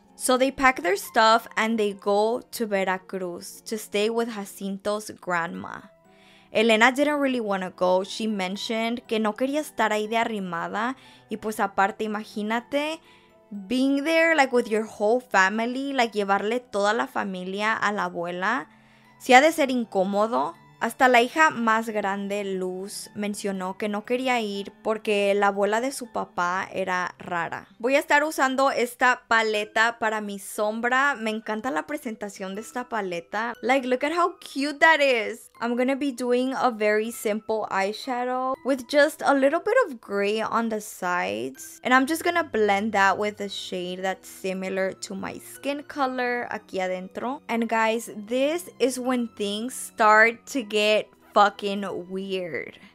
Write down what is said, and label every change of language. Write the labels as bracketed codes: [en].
[en] So they pack their stuff and they go to Veracruz to stay with Jacinto's grandma. Elena didn't really want to go. She mentioned [es] que no quería estar ahí de arrimada. Y pues aparte, imagínate [en] being there like with your whole family, like [es] llevarle toda la familia a la abuela. Sí ha de ser incómodo. Hasta la hija más grande, Luz, mencionó que no quería ir porque la abuela de su papá era rara. Voy a estar usando esta paleta para mi sombra. Me encanta la presentación de esta paleta. [en] Like, look at how cute that is. I'm gonna be doing a very simple eyeshadow with just a little bit of gray on the sides. And I'm just gonna blend that with a shade that's similar to my skin color [es] aquí adentro. [en] And guys, this is when things start to get fucking weird.